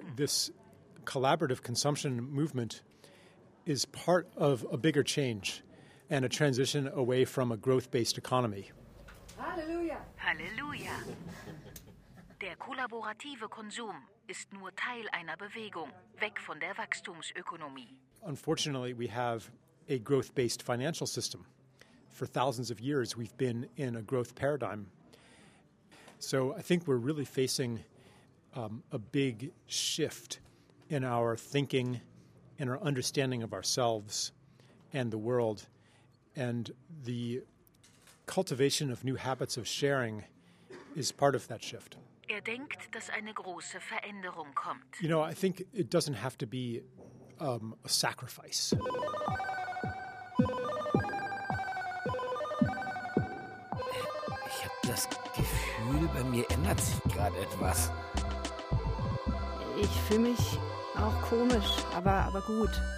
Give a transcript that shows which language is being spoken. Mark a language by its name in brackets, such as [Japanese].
[English] So this collaborative consumption movement is part of a bigger change and a transition away from a growth-based economy. Hallelujah! Hallelujah! [German] Der kollaborative Konsum ist nur Teil einer Bewegung, weg von der Wachstumsökonomie. [English] Unfortunately, we have a growth-based financial system. For thousands of years, we've been in a growth paradigm. So I think we're really facing a big shift in our thinking, in our understanding of ourselves and the world. And the cultivation of new habits of sharing is part of that shift. [German] Er denkt, dass eine große Veränderung kommt. [English] You know, I think it doesn't have to be a sacrifice. [German] Ich habe das Gefühl, bei mir ändert sich gerade etwas. Ich fühle mich auch komisch, aber gut.